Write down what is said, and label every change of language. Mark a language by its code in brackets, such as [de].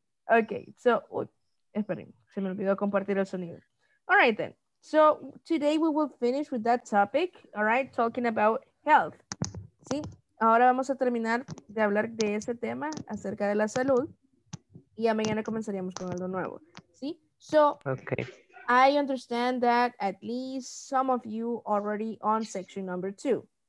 [es] Okay, so, esperen, se me olvidó compartir el sonido. [en] All right, then. So, today we will finish with that topic, all right, talking about health. [es] Sí, ahora vamos a terminar de hablar de ese tema acerca de la salud. Y a mañana comenzaríamos con algo nuevo. ¿Sí? So, [en] okay. I understand that at least some of you already on section number 2.